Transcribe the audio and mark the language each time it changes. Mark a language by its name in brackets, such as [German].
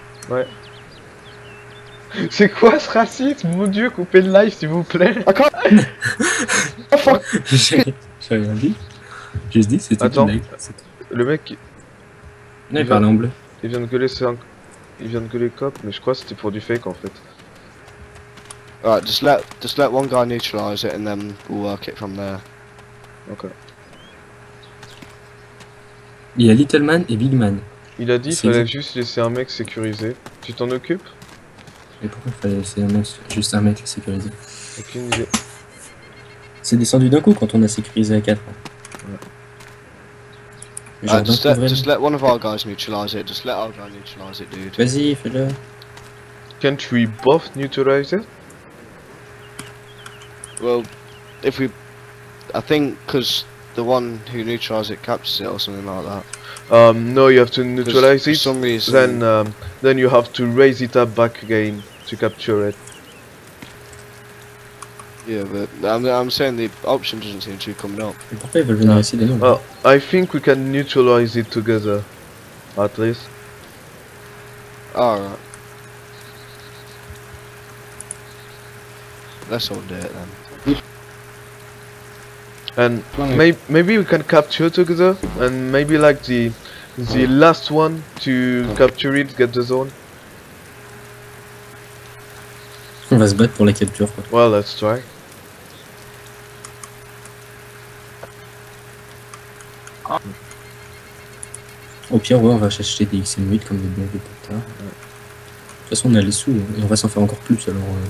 [French] Ouais. C'est quoi ce racisme? Mon dieu, coupez le live, s'il vous plaît. Encore. J'ai rien dit. J'ai juste dit, c'était des blacks. Le mec. Non, il parle en bleu. Il vient de gueuler cop, mais je crois que c'était pour du fake en fait. [English] Alright, just let one guy neutralize it and then we'll work it from there. Okay. [French] Il y a Little Man et Big Man. Il a dit qu'il fallait juste laisser un mec sécurisé. Tu t'en occupes? Mais pourquoi il fallait laisser juste un mec sécurisé? Aucune idée. C'est descendu d'un coup quand on a sécurisé à 4. Ouais. [English] Just let one of our guys neutralize it. Just let our guy neutralize it, dude. [French] Vas-y, fais-le. [English] Can't we both neutralize it? Well, if we, I think, because the one who neutralizes it captures it or something like that. No, you have to neutralize it. For some reason. Then you have to raise it up back again to capture it. Yeah, but I'm saying the option doesn't seem to be coming up. Well, I think we can neutralize it together, at least. Alright. Let's all do it then. And maybe we can capture together, and maybe like the last one to capture it, get the zone. [French] On va se battre pour la capture, quoi. [English] Well, let's try. [French] Au pire, ouais, on va acheter des XM8 comme des bons vieux potards. De toute façon, on a les sous et on va s'en faire encore plus alors.